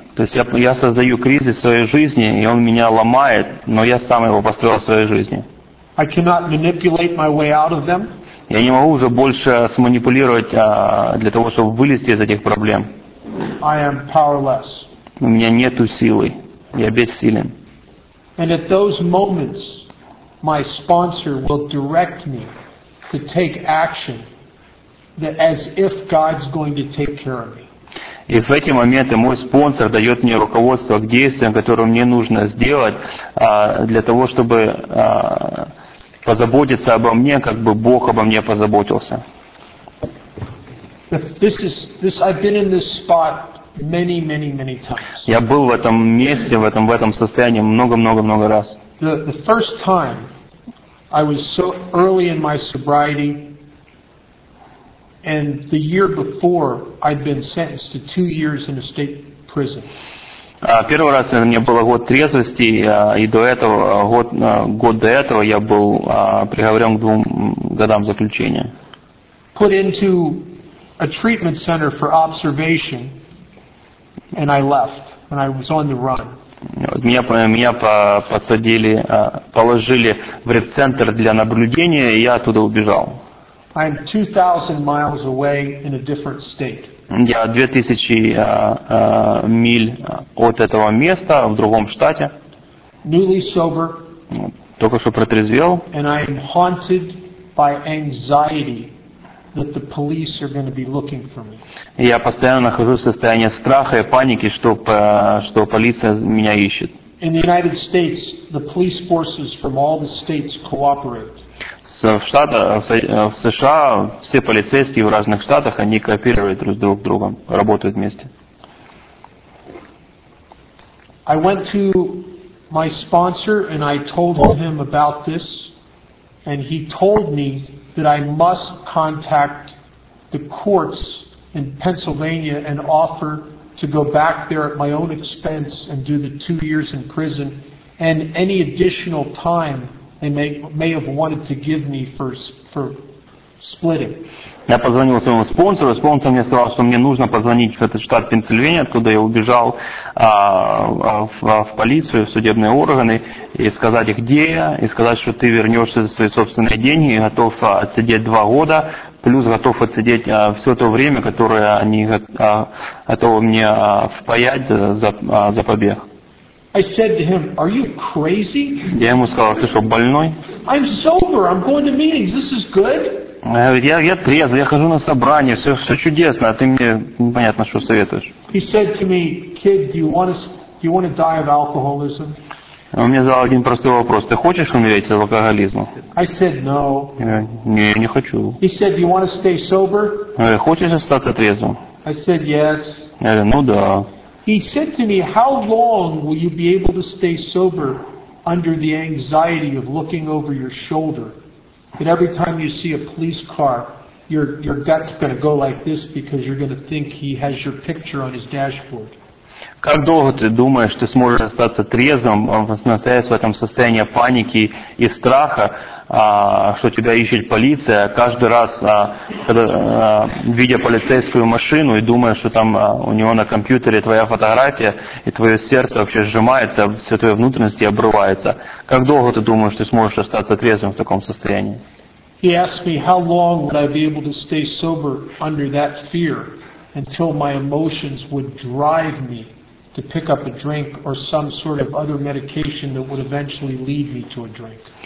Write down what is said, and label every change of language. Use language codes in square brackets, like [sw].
[ru] То есть я создаю кризис в своей жизни, и он меня ломает, но я сам его построил в своей жизни. [en] I cannot manipulate my way out of them. [ru] Я не могу уже больше сманипулировать для того, чтобы вылезти из этих проблем. [en] I am powerless. [ru] У меня нету силы. Я бессилен. [en] And at those moments, my sponsor will direct me to take action that as if God's going to take care of me. [ru] И в эти моменты мой спонсор дает мне руководство к действиям, которые мне нужно сделать для того, чтобы позаботиться обо мне, как бы Бог обо мне позаботился. [en] I've been in this spot many, many, many times. [ru] Я был в этом месте, в этом состоянии много раз. [en] The first time I was so early in my sobriety. And the year before, I'd been sentenced to 2 years in a state prison. [ru] Первый раз у меня было год трезвости, и до этого год до этого я был приговорен к 2 годам заключения. [en] Put into a treatment center for observation, and I left, and I was on the run. [ru] Меня посадили, положили в реабцентр для наблюдения, и я оттуда убежал. [en] I'm 2,000 miles away in a different state. [ru] Я 2,000 миль от этого места в другом штате. [en] Newly sober. [ru] Только что протрезвел. [en] And I am haunted by anxiety that the police are going to be looking for me. [ru] Я постоянно нахожусь в состоянии страха и паники, что полиция меня ищет. [en] In the United States, the police forces from all the states cooperate. [ru] В США все полицейские в разных штатах они кооперируют друг с другом, работают вместе. [en] I went to my sponsor and I told him about this, and he told me that I must contact the courts in Pennsylvania and offer to go back there at my own expense and do the 2 years in prison and any additional time they may have wanted to give me for splitting. [ru] Я позвонил своему спонсору, спонсор мне сказал, что мне нужно позвонить в этот штат Пенсильвания, откуда я убежал, в полицию, в судебные органы, и сказать, где я, и сказать, что ты вернешься за свои собственные деньги, и готов отсидеть 2 года, плюс готов отсидеть все то время, которое они готовы мне впаять за побег. [en] I said to him, "Are you crazy?" [ru] Я ему сказал, ты что, больной? [en] I'm sober, I'm going to meetings, this is good. [ru] Я трезвый, я хожу на собрание, все чудесно, а ты мне непонятно, что советуешь. [en] He said to me, "Kid, do you want to die of alcoholism?" [ru] Он мне задал один простой вопрос: ты хочешь умереть от алкоголизма? [en] I said no. [ru] Не хочу. [en] He said, "Do you want to stay sober?" [ru] Хочешь остаться трезвым? [en] I said yes. [ru] Я говорю, ну да. [en] He said to me, "How long will you be able to stay sober under the anxiety of looking over your shoulder?" That every time you see a police car, your gut's going to go like this because you're going to think he has your picture on his dashboard. [ru] Как долго ты думаешь, ты сможешь остаться трезвым, находясь в этом состоянии паники и страха, что тебя ищет полиция, каждый раз, когда видя полицейскую машину и думая, что там у него на компьютере твоя фотография, и твое сердце вообще сжимается, все твои внутренности обрываются. Как долго ты думаешь, что сможешь остаться трезвым в таком состоянии? [en] He asked me, how long would I be able to stay sober under that fear until my emotions would drive me to pick up a drink or some sort of other medication that would eventually lead me to a drink.